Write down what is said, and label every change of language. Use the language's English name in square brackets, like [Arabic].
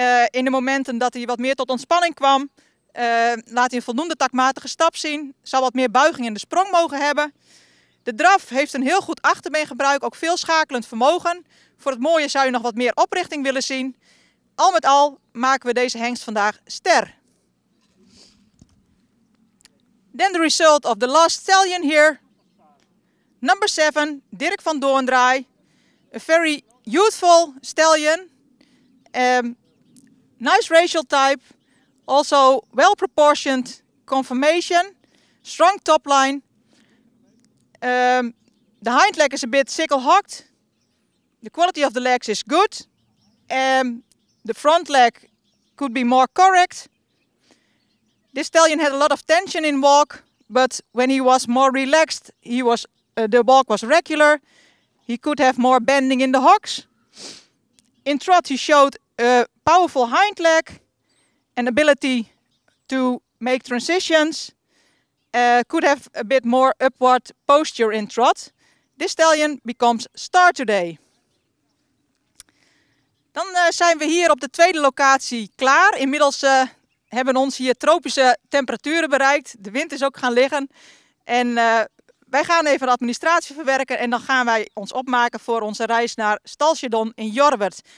[Dutch] In de momenten dat hij wat meer tot ontspanning kwam, laat hij een voldoende takmatige stap zien. Zou wat meer buiging in de sprong mogen hebben. De draf heeft een heel goed achterbeengebruik, ook veel schakelend vermogen. Voor het mooie zou je nog wat meer oprichting willen zien. Al met al maken we deze hengst vandaag ster. [English] Then the result of the last stallion here. Number 7, Dirk van Doorndraai. A very youthful stallion. Nice racial type. Also well proportioned conformation. Strong top line. The hind leg is a bit sickle hocked. The quality of the legs is good. The front leg could be more correct. This stallion had a lot of tension in walk, but when he was more relaxed, the walk was regular. He could have more bending in the hocks. In trot, he showed a powerful hind leg and ability to make transitions. Could have a bit more upward posture in trot. This stallion becomes star today. [Dutch] Dan zijn we hier op de tweede locatie klaar. Inmiddels hebben ons hier tropische temperaturen bereikt. De wind is ook gaan liggen. En wij gaan even de administratie verwerken. En dan gaan wij ons opmaken voor onze reis naar Stalsjedon in Jorwert.